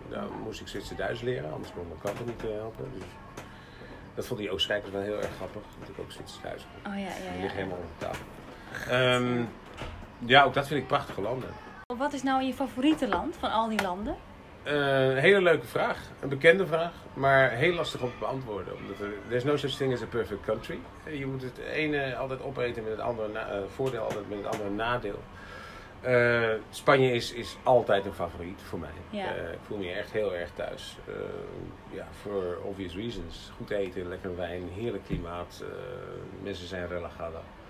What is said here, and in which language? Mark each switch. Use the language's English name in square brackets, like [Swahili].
[Dutch] Daar moest ik Zwitser-Duits leren, anders kon mijn kant niet helpen. Dus dat vond die Oostenrijkers wel heel erg grappig, dat ik ook Zwitser-Duits kon. Ik lig helemaal op de tafel. Ook dat vind ik prachtige landen. Wat is nou je favoriete land van al die landen? Hele leuke vraag, een bekende vraag, maar heel lastig om te beantwoorden. [English] Omdat there's no such thing as a perfect country. [Dutch] Je moet het ene altijd opeten met het andere voordeel, altijd met het andere nadeel. Spanje is altijd een favoriet voor mij. Yeah. Ik voel me echt heel erg thuis. [English] For obvious reasons. [Dutch] Goed eten, lekker wijn, heerlijk klimaat. Mensen zijn relajada.